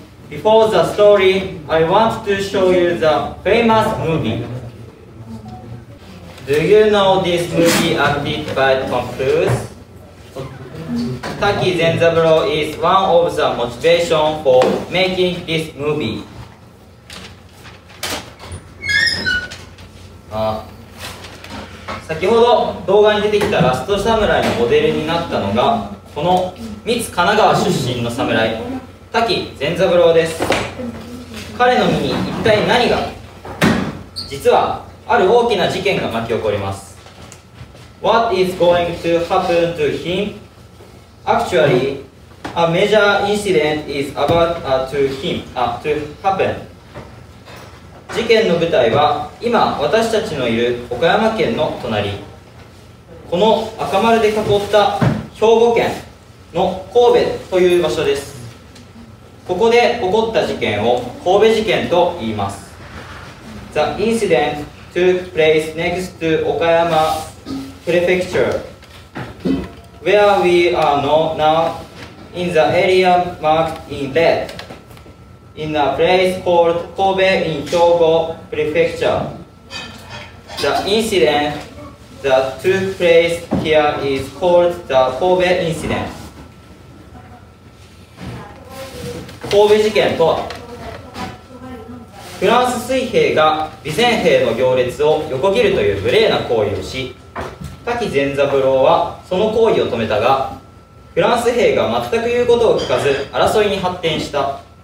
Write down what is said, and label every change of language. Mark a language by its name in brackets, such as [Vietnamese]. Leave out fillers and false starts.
[English] Before the story, I want to show you the famous movie. Do you know this movie acted by Tom Cruise? Taki Zenzaburo is one of the motivation for making this movie. [Japanese] ああ先ほど動画に出てきたラストサムライのモデルになったのがこの三津神奈川出身の侍滝善三郎です。彼の身に一体何が？実はある大きな事件が巻き起こります。 [English] What is going to happen to him? Actually, a major incident is about to happen. [Japanese] 事件の舞台は今私たちのいる岡山県の隣、この赤丸で囲った兵庫県の神戸という場所です。ここで起こった事件を神戸事件と言います。 [English] The incident took place next to Okayama Prefecture, where we are now in the area marked in red, in a place called Kobe in Hyogo Prefecture. The incident that took place here is called the Kobe Incident. [Japanese] 神戸事件とは、フランス水兵が備前兵の行列を横切るという無礼な行為をし、滝善三郎はその行為を止めたが、フランス兵が全く言うことを聞かず争いに発展した。